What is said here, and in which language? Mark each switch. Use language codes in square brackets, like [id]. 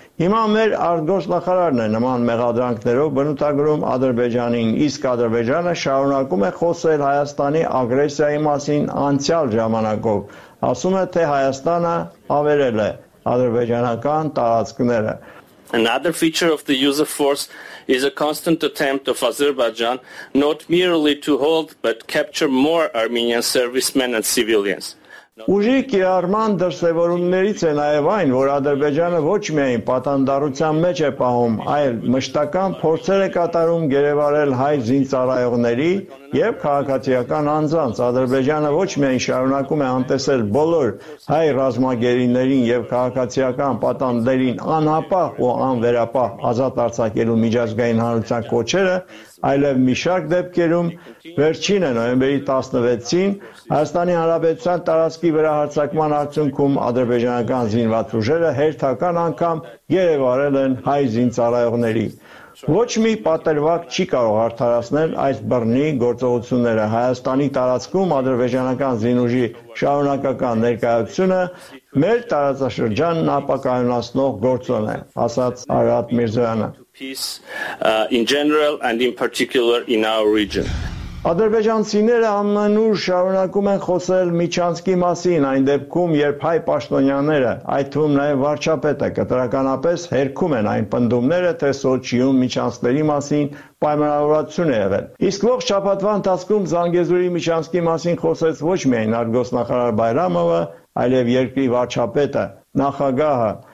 [hy] հիմա մեր արտգոսնախարարն է նման մեղադրանքներով բնութագրում Ադրբեջանին, իսկ Ադրբեջանը շարունակում է խոսել Հայաստանի ագրեսիայի մասին անցյալ ժամանակով, ասում է, թե Հայաստանը ավերել է ադրբեջանական տարածքները։ [en] Another feature of the use of force is a constant attempt of Azerbaijan not merely to hold but capture more Armenian servicemen and civilians. [hy] Ուժի կիրառման դրսևորումներից է նաև այն, որ Ադրբեջանը ոչ միայն պատանդառության մեջ է պահում, այլ մշտական փորձեր է կատարում գերեվարել հայ զինծառայողների և քաղաքացիական անձանց։ Ադրբեջանը ոչ միայն շարունակում է անտեսել բոլոր հայ ռազմագերիներին և քաղաքացիական պատանդներին անապահ ու անվերապահ ազատ արձակելու միջազգային հանրության կոչերը, այլև մի շարք դեպքերում վերջինը նոյեմբերի 16-ին Հայաստանի Հանրապետության տարածքի վրա հարձակման արդյունքում ադրբեջանական զինվաճուժերը հերթական անգամ գերեվարել են հայ զինծառայողների։ Ոչ մի պատերվակ չի կարող արդարացնել այս բռնի գործողությունները։ Հայաստանի տարածքում ադրբեջանական զինուժի շարունակական ներկայությունը մեր տարածաշրջանն ապակայունացնող գործոն է, ասաց Արարատ Միրզոյանը։ [en] In general and in particular in our region. [hy] Ադրբեջանցիները ամենուր շարունակում են խոսել միջանցքի մասին, այն դեպքում, երբ հայ պաշտոնյաները, այդ թվում նաև վարչապետը, կտրականապես հերքում են այն պնդումները, թե Սոչիում միջանցքների մասին պայմանավորվածություն է եղել։ Իսկ ողջ շաբաթվա ընթացքում Զանգեզուրի միջանցքի մասին խոսեց ոչ միայն արտգոսնախարար Բայրամովը, այլև երկրի վարչապետը, նախագահը